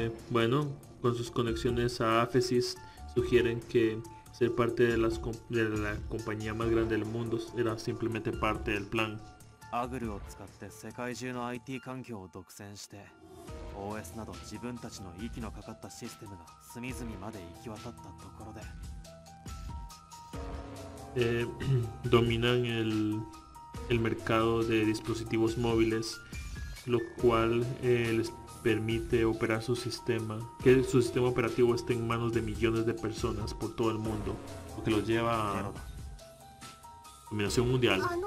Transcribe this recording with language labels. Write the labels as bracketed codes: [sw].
[es] Bueno, con sus conexiones a Aphesis, sugieren que ser parte de la compañía más grande del mundo era simplemente parte del plan. [ja] アグルを使って世界中の IT 環境を独占して、 OS など自分たちの息のかかったシステムが隅々まで行き渡ったところで、 [es] dominan el mercado de dispositivos móviles, lo cual les permite operar su sistema, que su sistema operativo esté en manos de millones de personas por todo el mundo, lo que los lleva a dominación mundial.